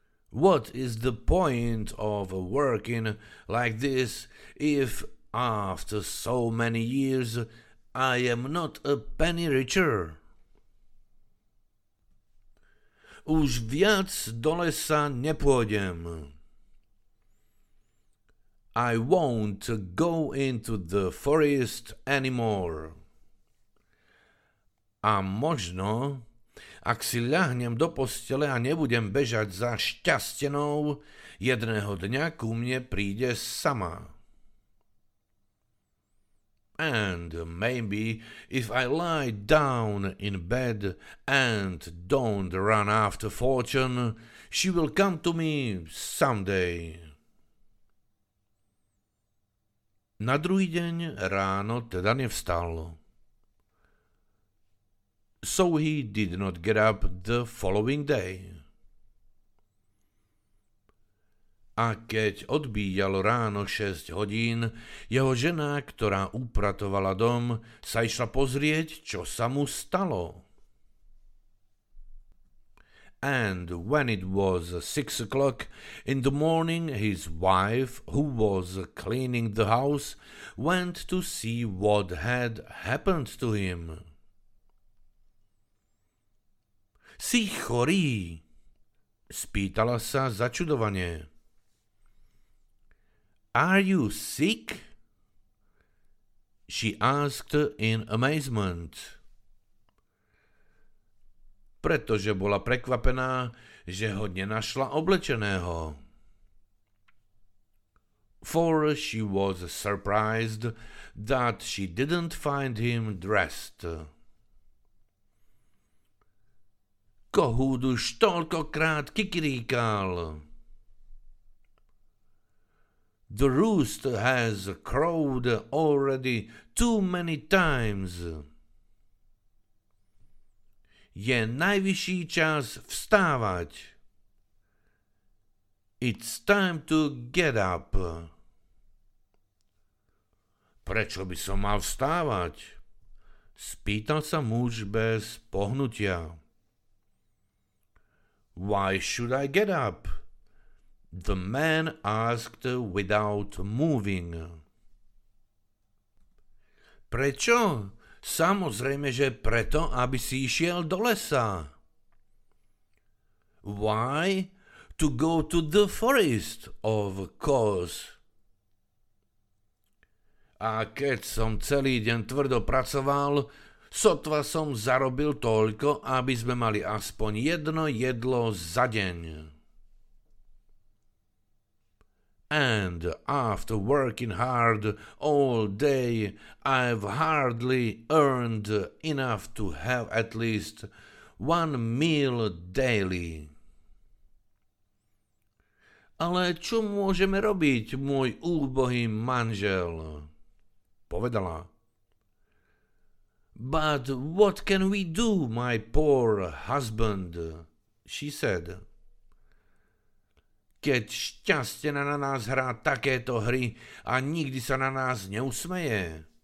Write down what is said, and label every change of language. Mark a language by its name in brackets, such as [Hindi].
[English] What is the point of working like this if after so many years I am not a penny richer? [Slovak] Už viac do lesa nepôjdem. [English] I won't go into the forest anymore. [Slovak] A možno, ak si ľahnem do postele a nebudem bežať za šťastenou, jedného dňa ku mne príde sama. [English] And maybe if I lie down in bed and don't run after fortune, she will come to me someday. [Slovak] Na druhý deň ráno teda nevstal. [English] So he did not get up the following day. [Slovak] A keď odbíjalo ráno 6 hodín, jeho žena, ktorá upratovala dom, sa išla pozrieť, čo sa mu stalo. [English] And when it was 6 o'clock in the morning, his wife, who was cleaning the house, went to see what had happened to him. [Slovak] Si chorý? Spýtala sa začudovanie. [English] Are you sick? She asked in amazement. [Slovak] Pretože bola prekvapená, že ho nenašla oblečeného. [English] For she was surprised that she didn't find him dressed. [Slovak] Kohúd už toľkokrát kikiríkal. [English] The roost has crowed already too many times. [Slovak] Je najvyšší čas vstávať. [English] It's time to get up. [Slovak] Prečo by som mal vstávať? Spýtal sa muž bez pohnutia. [English] Why should I get up? The man asked without moving. [Slovak] Prečo? Samozrejme, že preto, aby si išiel do lesa. [English] Why? To go to the forest, of course. [Slovak] A keď som celý deň tvrdo pracoval, sotva som zarobil toľko, aby sme mali aspoň jedno jedlo za deň. [English] And after working hard all day, I've hardly earned enough to have at least one meal daily. [Slovak] Ale čo môžeme robiť, môj úbohý manžel? Povedala. [English] But what can we do, my poor husband? She said. [Slovak] Keď šťastie na nás hrá takéto hry a nikdy sa na nás neusmeje.